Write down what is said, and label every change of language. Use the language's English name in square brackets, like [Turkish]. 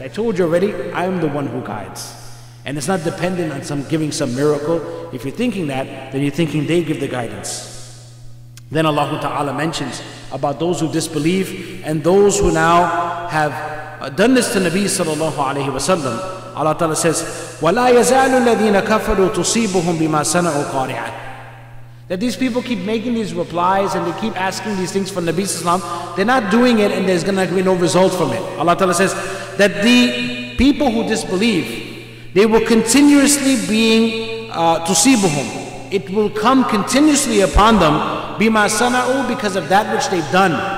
[English] I told you already, I'm the one who guides. And it's not dependent on some giving some miracle. If you're thinking that, then you're thinking they give the guidance. Then Allah Ta'ala mentions about those who disbelieve and those who now have done this to Nabi Sallallahu Alaihi Wasallam. Allah Ta'ala says, [Arabic] وَلَا يَزَالُ الَّذِينَ كَفَرُوا تُصِيبُهُمْ بِمَا سَنَعُوا قَارِعًا. [English] That these people keep making these replies and they keep asking these things from Nabi Sallallahu Alaihi Wasallam. They're not doing it and there's going to be no result from it. Allah Ta'ala says that the people who disbelieve, they will continuously being تُصِيبُهُمْ. It will come continuously upon them. Bima sana'u, because of that which they've done.